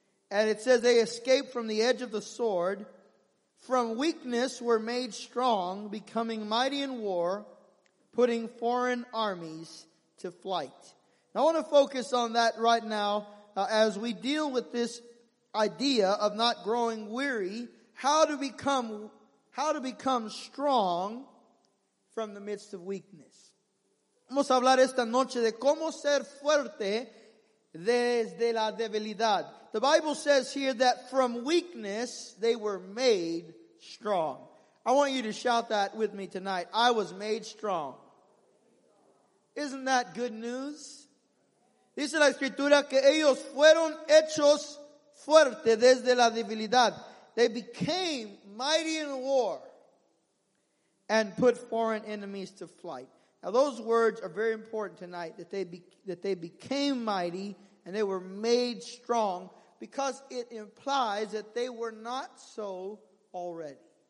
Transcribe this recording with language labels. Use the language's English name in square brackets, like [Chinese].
[English] And it says they escaped from the edge of the sword. From weakness were made strong, becoming mighty in war, putting foreign armies to flight. Now, I want to focus on that right now as we deal with this idea of not growing weary. How to become strong from the midst of weakness. [Spanish] Vamos a hablar esta noche de cómo ser fuerte desde la debilidad. [English] The Bible says here that from weakness they were made strong. I want you to shout that with me tonight. I was made strong. Isn't that good news? [Spanish] Dice la escritura que ellos fueron hechos fuertes desde la debilidad. [English] They became mighty in war and put foreign enemies to flight. Now those words are very important tonight, that they became mighty and they were made strong, because it implies that they were not so already.